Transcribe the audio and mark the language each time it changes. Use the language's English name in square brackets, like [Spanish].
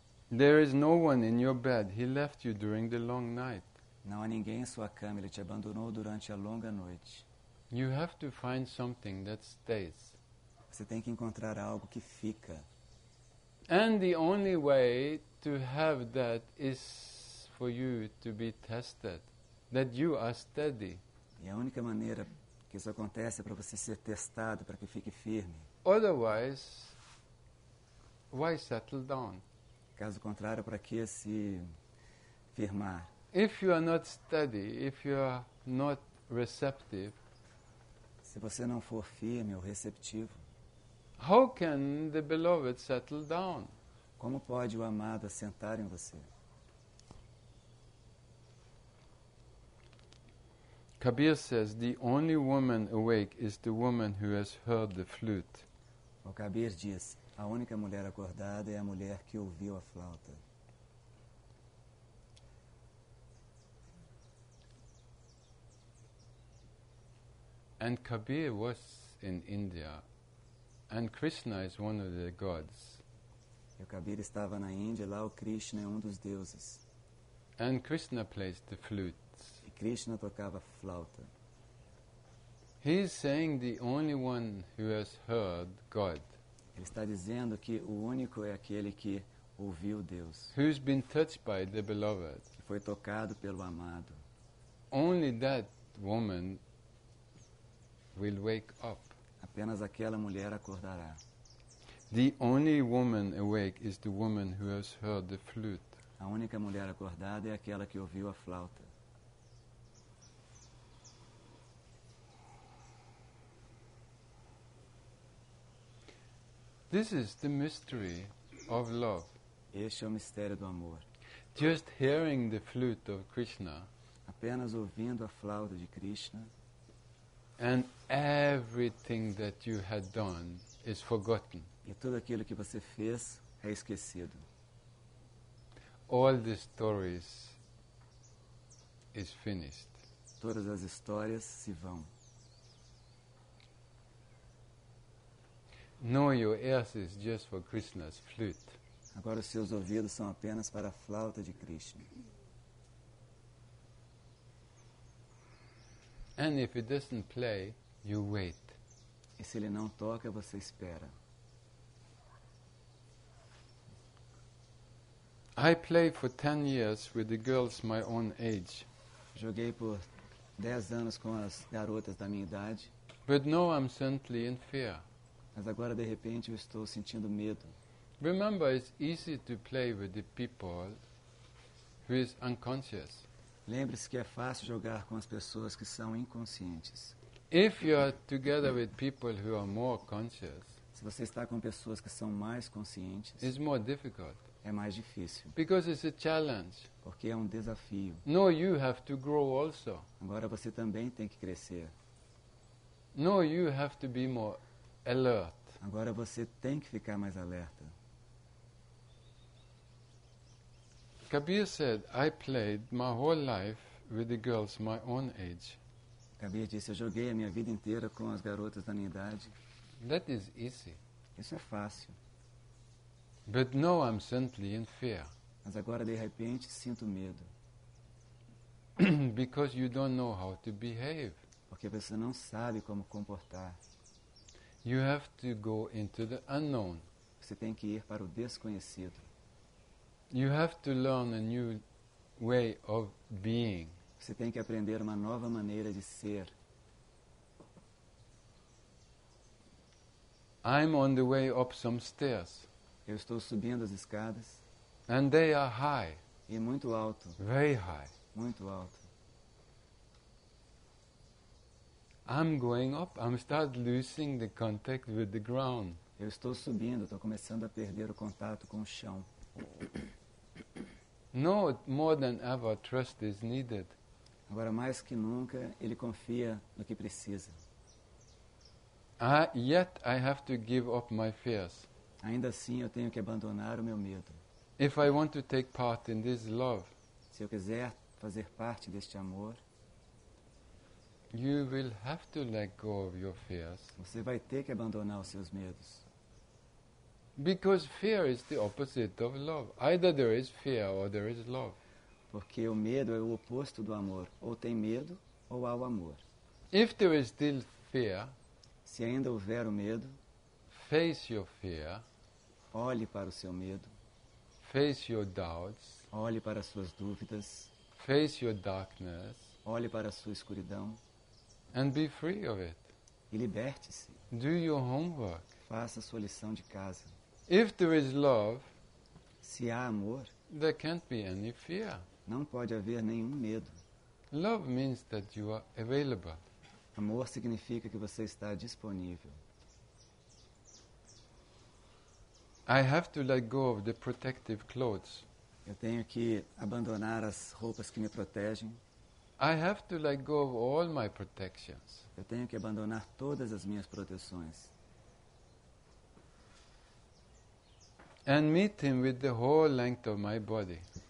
[English] There is no one in your bed. He left you during the long night. [Portuguese] Não há ninguém em sua cama. Ele te abandonou durante a longa noite. [English] You have to find something that stays. [Portuguese] Você tem que encontrar algo que fica. [English] And the only way to have that is for you to be tested. That you are steady. [Portuguese] E a única maneira que isso acontece é para você ser testado, para que fique firme. [English] Otherwise, why settle down? [Portuguese] Caso contrário, para que se firmar? [English] If you are not steady, if you are not receptive, [Portuguese] se você não for firme ou receptivo, [English] how can the beloved settle down? [Portuguese] Como pode o amado assentar em você? [English] Kabir says the only woman awake is the woman who has heard the flute. [Portuguese] O Kabir diz, a única mulher acordada é a mulher que ouviu a flauta. [English] And Kabir was in India and Krishna is one of the gods. [Portuguese] E o Kabir estava na Índia, lá o Krishna é um dos deuses. [English] And Krishna plays the flute. [Portuguese] Krishna tocava flauta. [English] He is saying the only one who has heard God. [Portuguese] Ele está dizendo que o único é aquele que ouviu Deus. [English] Who's been touched by the beloved. [Portuguese] Foi tocado pelo amado. [English] Only that woman will wake up. [Portuguese] Apenas aquela mulher acordará. [English] The only woman awake is the woman who has heard the flute. [Portuguese] A única mulher acordada é aquela que ouviu a flauta. [English] This is the mystery of love. [Portuguese] Este é o mistério do amor. [English] Just hearing the flute of Krishna. [Portuguese] Apenas ouvindo a flauta de Krishna. [English] And everything that you had done is forgotten. [Portuguese] E tudo aquilo que você fez é esquecido. [English] All the stories is finished. [Portuguese] Todas as histórias se vão. [English] No, your ears is just for Krishna's flute. [Portuguese] Agora os seus ouvidos são apenas para a flauta de Krishna. [English] And if it doesn't play, you wait. [Portuguese] E se ele não toca, você espera. [English] I played for 10 years with the girls my own age. [Portuguese] Joguei por 10 anos com as garotas da minha idade. [English] But now I'm suddenly in fear. [Portuguese] Mas agora, de repente, eu estou sentindo medo. [English] Remember, it's easy to play with the people who is unconscious. [Portuguese] Lembre-se que é fácil jogar com as pessoas que são inconscientes. [English] If you are together with people who are more conscious, [Portuguese] se você está com pessoas que são mais conscientes, [English] it's more difficult. [Portuguese] É mais difícil. [English] Because it's a challenge. [Portuguese] Porque é um desafio. [English] No, you have to grow also. [Portuguese] Agora você também tem que crescer. [English] No, you have to be more alert. [Portuguese] Agora você tem que ficar mais alerta. [English] Kabir said, I played my whole life with the girls my own age. [Portuguese] Kabir disse, eu joguei a minha vida inteira com as garotas da minha idade. [English] That is easy. [Portuguese] Isso é fácil. [English] But now I'm suddenly in fear. [Portuguese] Mas agora de repente sinto medo. [English] Because you don't know how to behave. [Portuguese] Porque você não sabe como comportar. [English] You have to go into the unknown. [Portuguese] Você tem que ir para o desconhecido. [English] You have to learn a new way of being. [Portuguese] Você tem que aprender uma nova maneira de ser. [English] I'm on the way up some stairs. [Portuguese] Eu estou subindo as escadas. [English] And they are high. [Portuguese] E muito alto. [English] Very high. [Portuguese] Muito alto. [English] I'm going up. I'm start losing the contact with the ground. [Portuguese] Eu estou subindo, estou começando a perder o contato com o chão. [English] No, more than ever, trust is needed. [Portuguese] Agora mais que nunca, ele confia no que precisa. [English] Yet I have to give up my fears. [Portuguese] Ainda assim, eu tenho que abandonar o meu medo. [English] If I want to take part in this love, [Portuguese] se eu quiser fazer parte deste amor, [English] you will have to let go of your fears. [Portuguese] Você vai ter que abandonar os seus medos. [English] Because fear is the opposite of love. Either there is fear or there is love. [Portuguese] Porque o medo é o oposto do amor. Ou tem medo ou há o amor. [English] If there is still fear, [Portuguese] se ainda houver o medo, [English] face your fear. [Portuguese] Olhe para o seu medo. [English] Face your doubts. [Portuguese] Olhe para as suas dúvidas. [English] Face your darkness. [Portuguese] Olhe para a sua escuridão. [English] And be free of it. [Portuguese] E liberte-se. [English] Do your homework. [Portuguese] Faça a sua lição de casa. [English] If there is love, [Portuguese] se há amor, [English] there can't be any fear. [Portuguese] Não pode haver nenhum medo. [English] Love means that you are available. [Portuguese] Amor significa que você está disponível. [English] I have to let go of the protective clothes. [Portuguese] Eu tenho que abandonar as roupas que me protegem. [English] I have to let go of all my protections. [Portuguese] Eu tenho que abandonar todas as minhas proteções. [English] And meet him with the whole length of my body.